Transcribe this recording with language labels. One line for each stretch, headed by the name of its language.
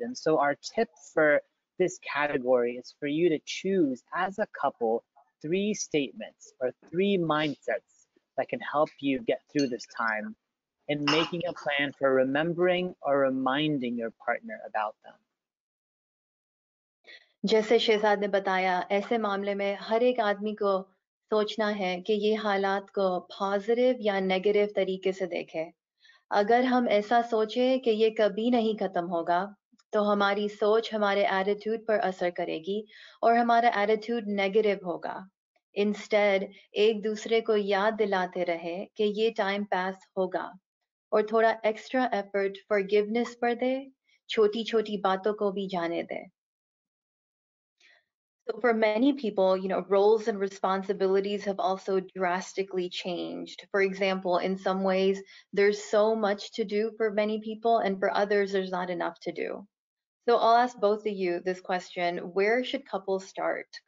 English: And so our tip for this category is for you to choose as a couple three statements or three mindsets that can help you get through this time, and making a plan for remembering or reminding your partner about them.
Urdu: جیسے شہزاد نے بتایا، ایسے معاملے میں ہر ایک آدمی کو سوچنا ہے کہ یہ حالات کو positive یا negative طریقے سے دیکھے۔ اگر ہم ایسا سوچے کہ یہ کبھی نہیں ختم ہوگا، تو ہماری سوچ ہمارے attitude پر اثر کرے گی اور ہمارا attitude negative ہوگا۔ instead ایک دوسرے کو یاد دلاتے رہے کہ یہ time pass ہوگا اور تھوڑا
English: extra effort
Urdu: forgiveness پر دے چھوٹی چھوٹی باتوں کو بھی جانے دے۔
English: So for many people, you know, roles and responsibilities have also drastically changed. For example, in some ways, there's so much to do for many people, and for others, there's not enough to do. So I'll ask both of you this question: where should couples start?